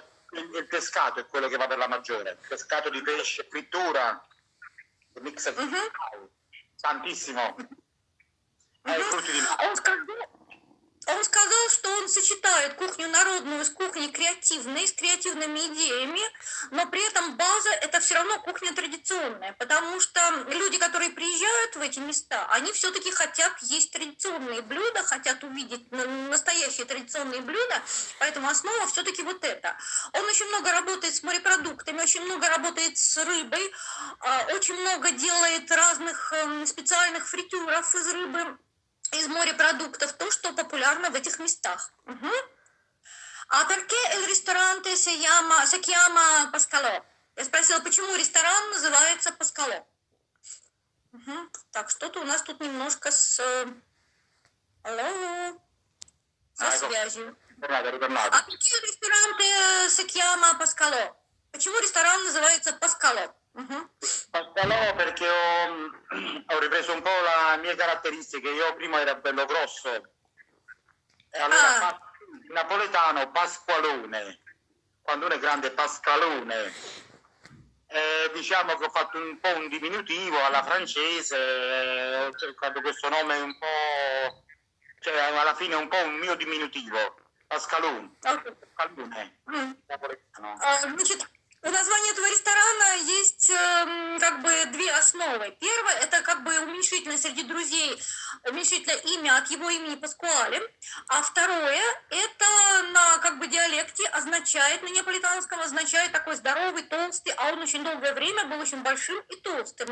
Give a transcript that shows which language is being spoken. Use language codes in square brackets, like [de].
[it] Il pescato è quello che va per la maggiore. Pescato di pesce, frittura, mix di tantissimo. Frutti di mare. [ru] Он сказал, что он сочетает кухню народную с кухней креативной, с креативными идеями, но при этом база – это все равно кухня традиционная, потому что люди, которые приезжают в эти места, они все-таки хотят есть традиционные блюда, хотят увидеть настоящие традиционные блюда, поэтому основа все-таки вот это. Он очень много работает с морепродуктами, очень много работает с рыбой, очень много делает разных специальных фритюров из рыбы, из морепродуктов, то, что популярно в этих местах. Угу. А [it] perché il ristorante si chiama Pascalò? [ru] Я спросила, почему ресторан называется Pascalò? Угу. Так, что-то у нас тут немножко с... Алло? Со связью. А [it] perché il ristorante si chiama Pascalò? [ru] Почему ресторан называется Pascalò? [it] Pascalò perché ho ripreso un po' le mie caratteristiche, io prima ero bello grosso, allora napoletano pasqualone, quando uno è grande pascalone, diciamo che ho fatto un po' un diminutivo alla francese, ho cercato questo nome un po', cioè alla fine un po' un mio diminutivo, pascalone, pascalone, napoletano. [ru] У названия этого ресторана есть как бы две основы. Первое – это как бы уменьшительное среди друзей, уменьшительное имя от его имени Паскуале. А второе – это на как бы диалекте означает, на неаполитанском означает такой здоровый, толстый, а он очень долгое время был очень большим и толстым.